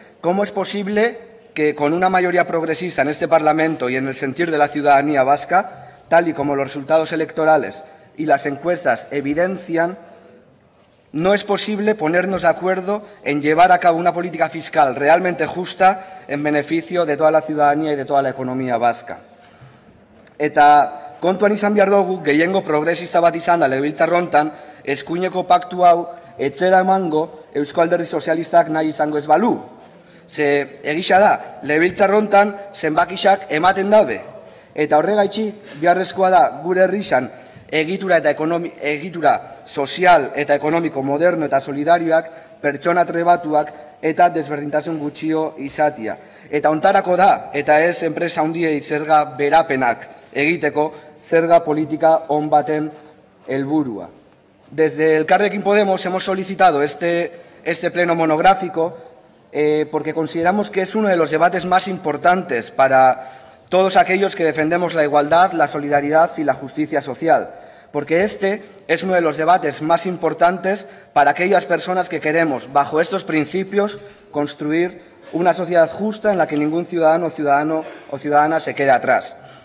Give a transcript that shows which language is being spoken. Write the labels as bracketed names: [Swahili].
[Spanish] ¿Cómo es posible que con una mayoría progresista en este Parlamento y en el sentir de la ciudadanía vasca, tal y como los resultados electorales y las encuestas evidencian, no es posible ponernos de acuerdo en llevar a cabo una política fiscal realmente justa en beneficio de toda la ciudadanía y de toda la economía vasca? [Basque] Eta kontuan izan behar dugu, gehiengo progresista bat izan da legebiltzar honetan, eskuineko paktu hau etzera emango Eusko Alderdi Sozialistak nahi izango ez balu. Ze egisa da, legebiltzar honetan zenbakixak ematen dabe. Eta horregaitzi, beharrezkoa da gure herrian egitura sozial eta ekonomiko moderno eta solidarioak, pertsona trebatuak eta desberdintasun gutxio izatia. Eta ontarako da, eta ez enpresa handiei zerga berapenak egiteko, zerga politika on baten helburua. [Spanish] Desde Elkarrekin Podemos hemos solicitado este pleno monográfico porque consideramos que es uno de los debates más importantes para todos aquellos que defendemos la igualdad, la solidaridad y la justicia social, porque este es uno de los debates más importantes para aquellas personas que queremos, bajo estos principios, construir una sociedad justa en la que ningún ciudadano o ciudadana se quede atrás.